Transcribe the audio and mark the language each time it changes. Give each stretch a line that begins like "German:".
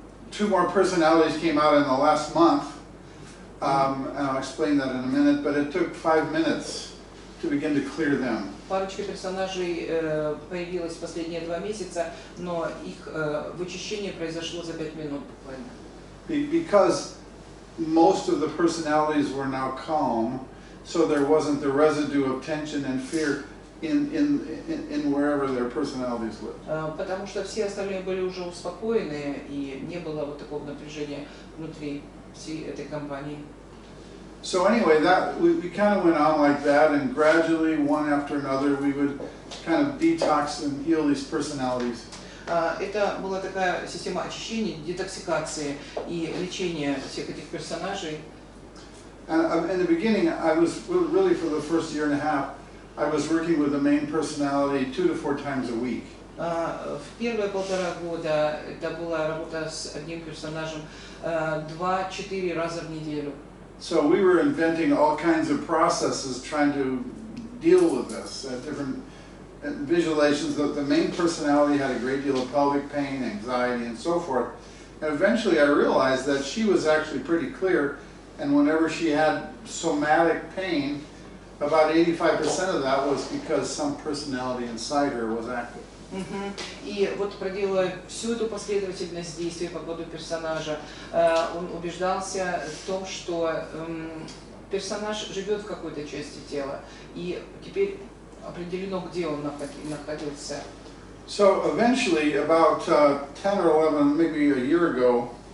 English: Two more personalities came out in the last month. And I'll explain that in a minute, but it took 5 minutes to begin to clear them.
Russian: Парочка персонажей появилось в последние 2 месяца, но их вычищение произошло за 5 минут буквально.
English: Because most of the personalities were now calm, so there wasn't the residue of tension and fear in wherever their personalities lived.
Russian: Потому что все остальные были уже успокоены, и не было вот такого напряжения внутри всей этой компании.
English: So anyway, that we kind of went on like that, and gradually, one after another, we would kind of detox and heal these personalities.
Russian: Это была такая система очищения, детоксикации и лечения всех этих персонажей.
English: In the beginning, I was really for the first year and a half, I was working with the main personality 2 to 4 times a week.
Russian: В первые полтора года это была работа с одним персонажем 2-4 раза в неделю.
English: So we were inventing all kinds of processes trying to deal with this at different visualizations. The main personality had a great deal of pelvic pain, anxiety, and so forth. And eventually I realized that she was actually pretty clear, and whenever she had somatic pain, about 85% of that was because some personality inside her was active.
Russian: И вот проделывая всю эту последовательность действий по поводу персонажа, он убеждался в том, что персонаж живет в какой-то части тела, и теперь определено, где он находился.
English: So eventually, about 10 or 11, maybe a year ago,